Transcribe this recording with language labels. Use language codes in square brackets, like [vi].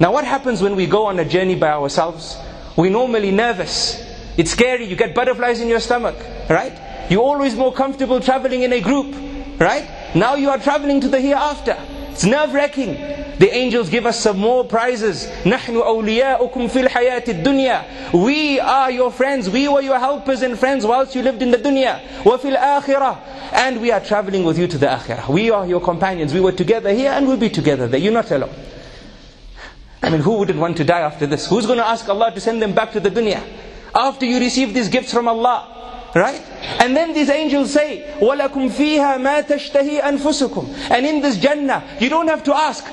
[en] Now what happens when we go on a journey by ourselves? We're normally nervous. It's scary, you get butterflies in your stomach, right? You're always more comfortable traveling in a group, right? Now you are traveling to the hereafter. It's nerve-wracking. The angels give us some more prizes. [ar] نَحْنُ أَوْلِيَاءُكُمْ فِي الْحَيَاةِ الدُّنْيَا [en] We are your friends. We were your helpers and friends whilst you lived in the dunya. [ar] وَفِي الْآخِرَةِ [en] And we are traveling with you to the akhirah. We are your companions. We were together here and we'll be together there. You're not alone. I mean, who wouldn't want to die after this? Who's going to ask Allah to send them back to the dunya? After you receive these gifts from Allah. Right? And then these angels say, [ar] وَلَكُمْ فِيهَا مَا تَشْتَهِي أَنفُسُكُمْ [en] And in this Jannah, you don't have to ask.